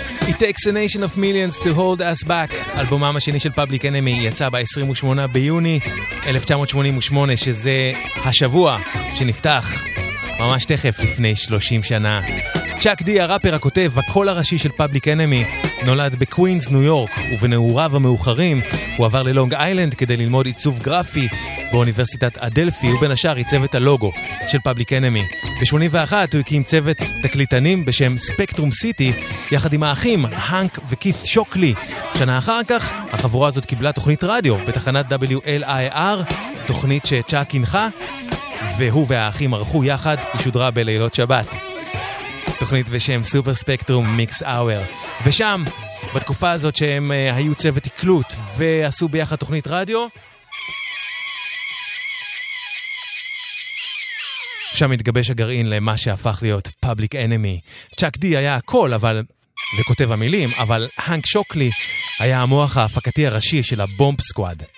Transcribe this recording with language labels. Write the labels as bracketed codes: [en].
[en] It takes a nation of millions to hold us back. [he] אלבומם השני של Public Enemy יצא ב-28 ביוני 1988, שזה השבוע שנפתח ממש תכף לפני 30 שנה. צ'אק די, הראפר הכותב, הקול הראשי של Public Enemy, נולד בקווינס, ניו יורק, ובנעוריו המאוחרים הוא עבר ללונג איילנד כדי ללמוד עיצוב גרפי באוניברסיטת אדלפי, ובין השאר עיצב את הלוגו של Public Enemy. ב-81 הוא הקים צוות תקליטנים בשם Spectrum City, יחד עם האחים הנק וקית' שוקלי. שנה אחר כך, החבורה הזאת קיבלה תוכנית רדיו בתחנת WLIR, תוכנית שצ'אק הנחה, והוא והאחים ערכו יחד, היא שודרה בלילות שבת. תוכנית בשם Super Spectrum Mix Hour. ושם, בתקופה הזאת שהם היו צוות תקלוט ועשו ביחד תוכנית רדיו, שם התגבש הגרעין למה שהפך להיות Public Enemy. צ'אק די היה הכל, אבל, וכותב המילים, אבל הנק שוקלי היה המוח ההפקתי הראשי של הבומפ סקואד.